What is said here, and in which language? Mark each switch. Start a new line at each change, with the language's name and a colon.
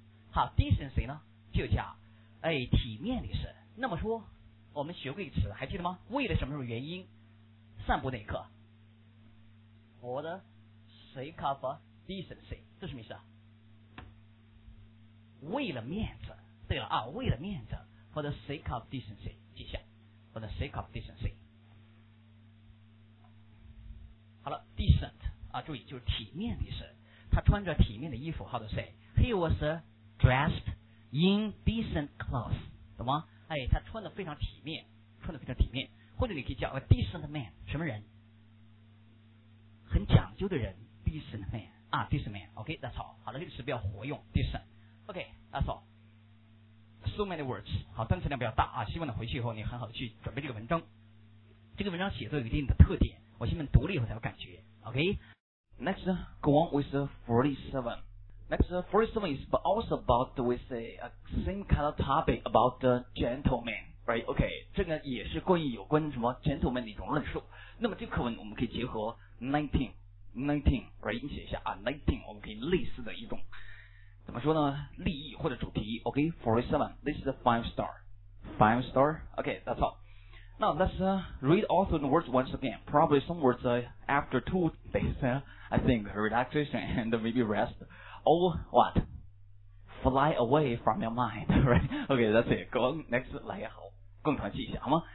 Chinese: 好 ，decency 呢就叫。哎，体面的是。那么说，我们学过一个词，还记得吗？为了什么什么原因，散布那一刻 ，
English: for the sake of decency，
Chinese: 这什么意思啊？为了面子。对了啊，为了面子 ，
English: for the sake of decency，
Chinese: 记下 ，for the sake of decency。好了 ，decent 啊，注意就是体面的是，他穿着体面的衣服，好的是 ，
English: he was dressed。 In decent clothes， 懂吗？
Chinese: 哎，他穿得非常体面，穿得非常体面。或者你可以叫
English: a decent man，
Chinese: 什么人？很讲究的人 ，
English: decent man
Chinese: 啊 ，decent man。
English: OK，that's all。
Chinese: 好了，这个词比较活用 ，decent。
English: OK，that's all。 So many words，
Chinese: 好，单词量比较大啊。希望你回去以后，你很好的去准备这个文章。这个文章写作有一定的特点，我希望读了以后才有感觉。
English: OK。 Next， go on with 47。 Next, 47 is also about with a same kind of topic about the gentleman, right?
Chinese: Okay, 这个也是关于有关什么 gentleman 的一种论述。那么这个课文我们可以结合 19, right? 写一下啊 ,19, 我们可以类似的一种怎么说呢利益或者主题。
English: Okay, 47, this is a five star. Five star? Okay, that's all. Now, let's read all the words once again. Probably some words after 2 days, I think, relaxation and maybe rest. All what? Fly away from your mind, right? Okay, that's it. Go on, next,
Chinese: 来也好，共同记一下，好吗？